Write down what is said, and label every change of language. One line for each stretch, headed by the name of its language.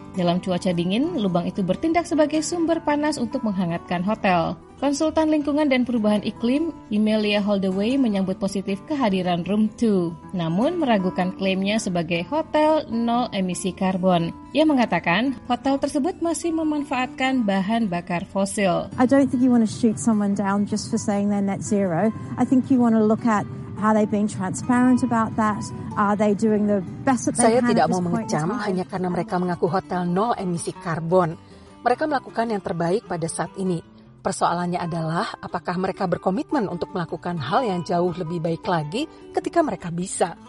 Indonesian: Dalam cuaca dingin, lubang itu bertindak sebagai sumber panas untuk menghangatkan hotel. Konsultan lingkungan dan perubahan iklim, Emilia Holdaway, menyambut positif kehadiran Room 2, namun meragukan klaimnya sebagai hotel nol emisi karbon. Ia mengatakan, hotel tersebut masih memanfaatkan bahan bakar fosil.
English: I don't think you want to shoot someone down just for saying they're net zero. I think you want to look at how they being transparent about that. Are they doing the best that they can?
Indonesian: Saya tidak mau mengecam hanya karena mereka mengaku hotel nol emisi karbon. Mereka melakukan yang terbaik pada saat ini. Persoalannya adalah apakah mereka berkomitmen untuk melakukan hal yang jauh lebih baik lagi ketika mereka bisa.